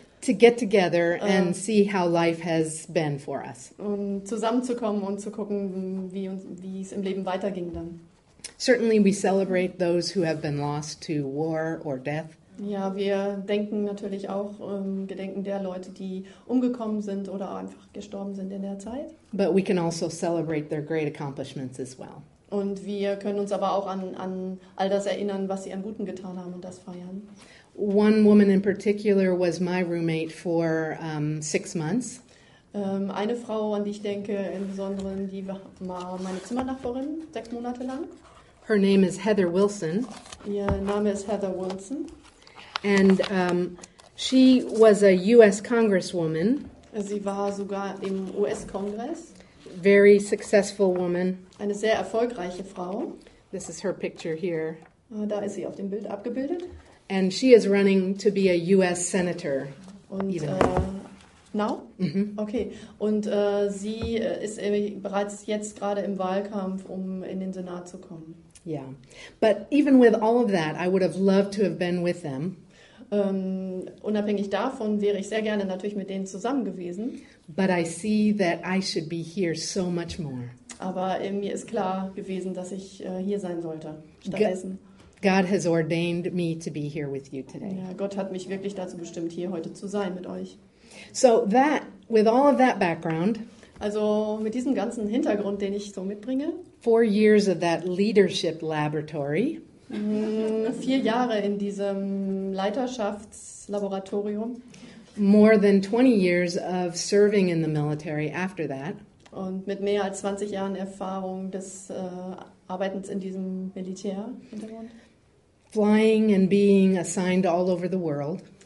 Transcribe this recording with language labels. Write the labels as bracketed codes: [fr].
[en] To get together and see how life has been for us. [de] Und zusammenzukommen und zu gucken, wie es im Leben weiterging dann. [en] Certainly we celebrate those who have been lost to war or death. [de] Ja, wir denken natürlich auch gedenken der Leute, die umgekommen sind oder einfach gestorben sind in der Zeit. [en] But we can also celebrate their great accomplishments as well. [de] Und wir können uns aber auch an all das erinnern, was sie an Guten getan haben und das feiern. [en] One woman in particular was my roommate for 6 months. [de] Eine Frau, an die ich denke, im Besonderen, die war meine Zimmernachbarin 6 Monate lang. [en] Her name is Heather Wilson. [de] Ihr Name ist Heather Wilson. [en] And she was a U.S. Congresswoman. [de] Sie war sogar im US-Kongress. [en] Very successful woman. [de] Eine sehr erfolgreiche Frau. [en] This is her picture here. [de] Da ist sie auf dem Bild abgebildet. [en] And she is running to be a U.S. Senator. [de] Und [en] now? Mm-hmm. Okay. [de] Und sie ist bereits jetzt gerade im Wahlkampf, um in den Senat zu kommen. [en] Yeah. But even with all of that, I would have loved to have been with them. [de] Unabhängig davon wäre ich sehr gerne natürlich mit denen zusammen gewesen. [en] But I see that I should be here so much more. [de] Aber mir ist klar gewesen, dass ich hier sein sollte, stattdessen. [en] God has ordained me to be here with you today. [de] Ja, Gott hat mich wirklich dazu bestimmt, hier heute zu sein mit euch. [en] So that, with all of that background, [de] also mit diesem ganzen Hintergrund, den ich so mitbringe, [en] 4 years of that leadership laboratory, [de] 4 Jahre in diesem Leiterschaftslaboratorium, [en] more than 20 years of serving in the military after that, [de] und mit mehr als 20 Jahren Erfahrung des Arbeitens in diesem Militärhintergrund, [en] flying and being assigned all over the world,